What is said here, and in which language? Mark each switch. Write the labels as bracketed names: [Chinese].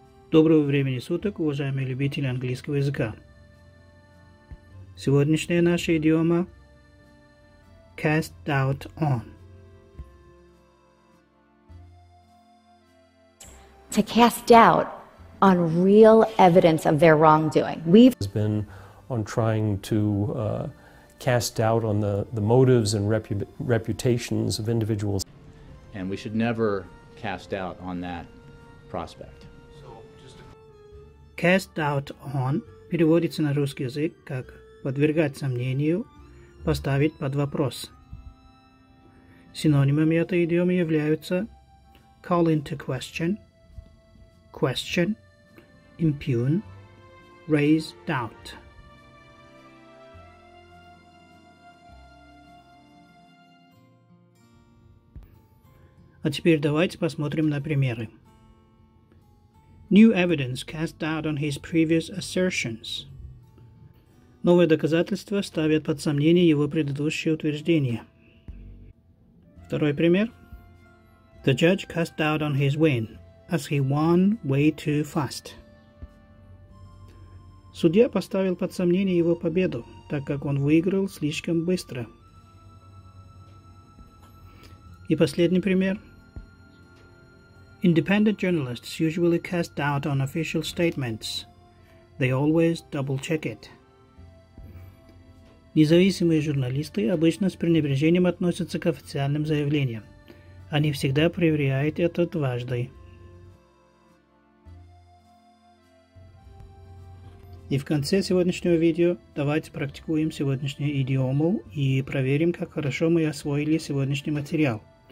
[Russian] Доброго времени суток, уважаемые любители английского языка. Сегодняшняя наша идиома – cast doubt on. [English] To cast doubt on real evidence of their wrongdoing. We've been on trying to cast doubt on the motives and reputations of individuals. And we should never cast doubt on that prospect. [Russian] Cast doubt on переводится на русский язык как подвергать сомнению, поставить под вопрос. Синонимами этой идиомы являются call into question, question, impugn, raise doubt. А теперь давайте посмотрим на примеры. [English] New evidence cast doubt on his previous assertions. [Russian] Новые доказательства ставят под сомнение его предыдущие утверждения. Второй пример. [English] The judge cast doubt on his win, as he won way too fast. [Russian] Судья поставил под сомнение его победу, так как он выиграл слишком быстро. И последний пример. [English] Independent journalists usually cast doubt on official statements. They always double-check it. [Russian] Независимые журналисты обычно с пренебрежением относятся к официальным заявлениям. Они всегда проверяют это дважды. И в конце сегодняшнего видео давайте практикуем сегодняшнюю идиому и проверим, как хорошо мы освоили сегодняшний материал.